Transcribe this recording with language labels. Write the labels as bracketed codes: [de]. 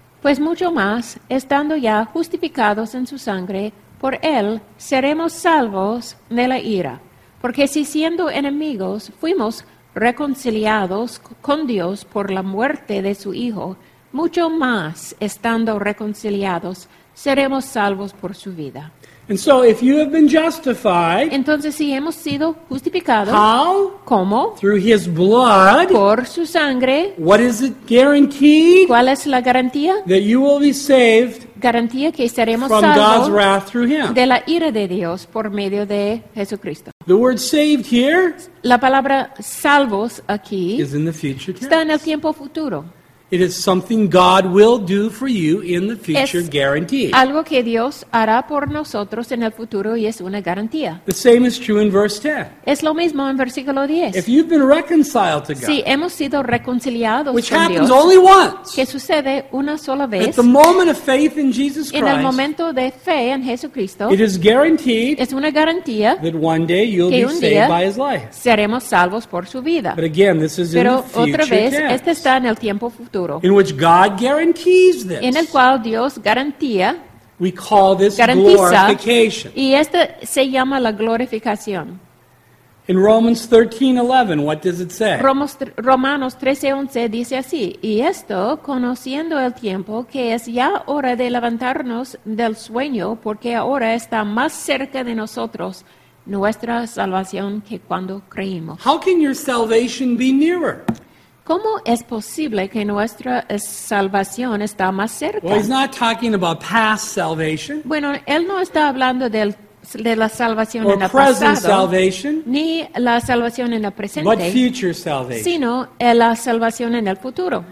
[es] Pues mucho más, estando ya justificados en su sangre, por él seremos salvos de la ira. Porque si siendo enemigos fuimos reconciliados con Dios por la muerte de su Hijo, mucho más estando reconciliados, seremos salvos por su vida. [en] And so if you have been justified, [es] entonces si hemos sido justificados, [en] how? [es] ¿Cómo? [en] Through his blood, [es] por su sangre, [en] what is it guaranteed? [es] ¿Cuál es la garantía? [en] That you will be saved, [es] garantía que seremos [en] from [es] salvos [en] God's wrath through him. [es] De la ira de Dios por medio de Jesucristo. [en] The word saved here, [es] la palabra salvos aquí, [en] is in the future tense. [es] Está en el tiempo futuro. [en] It is something God will do for you in the future, guaranteed. [es] Algo que Dios hará por nosotros en el futuro y es una garantía. [en] The same is true in verse 10. [es] Es lo mismo en versículo 10. [en] If you've been reconciled to God, [es] si hemos sido reconciliados [en] which [es] con [en] happens [es] Dios, [en] only once, [es] que sucede una sola vez, [en] at the moment of faith in Jesus Christ, [es] en el momento de fe en Jesucristo, [en] it is guaranteed, [es] es una garantía, [en] that one day you'll [es] que [en] be saved by his life. [es] Seremos salvos por su vida. [en] But again, this is [es] pero [en] in the future [es] otra vez, [en] tense. [es] Este está en el tiempo futuro. [en] In which God guarantees this. [es] En el cual Dios garantía. [en] We call this glorification. [es] Y esta se llama la glorificación. [en] In Romans 13:11, what does it say? [es] Romanos 13:11 dice así. Y esto, conociendo el tiempo, que es ya hora de levantarnos del sueño, porque ahora está más cerca de nosotros nuestra salvación que cuando creímos. [en] How can your salvation be nearer? [es] ¿Cómo es posible que nuestra salvación está más cerca? [en] Well, he's not talking about past salvation. [es] Bueno, él no está hablando de la salvación [en] or [es] en el [en] present [es] pasado, [en] salvation, [es] ni la salvación en el presente, [en] but future salvation. [es] Sino la salvación en el futuro.